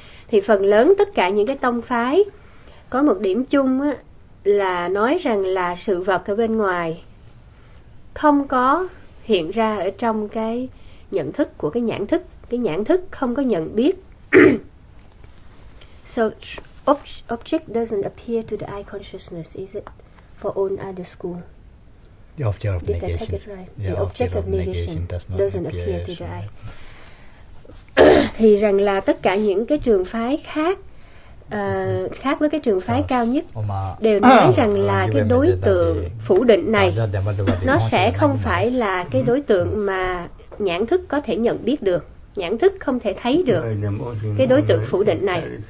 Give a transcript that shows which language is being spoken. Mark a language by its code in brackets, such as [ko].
[vi] Thì phần lớn tất cả những cái tông phái có một điểm chung á, là nói rằng là sự vật ở bên ngoài không có hiện ra ở trong cái nhận thức của cái nhãn thức. Cái nhãn thức không có nhận biết. [en] So object doesn't appear to the eye consciousness, is it? For own other school. The object of negation. Did I take it right? The object of negation doesn't appear to the eye. [vi] Thì rằng là tất cả những cái trường phái khác, khác với cái trường phái cao nhất, đều nói rằng là cái đối tượng phủ định này nó sẽ không phải là cái đối tượng mà nhãn thức có thể nhận biết được. Nhãn thức không thể thấy được cái đối tượng phủ định này.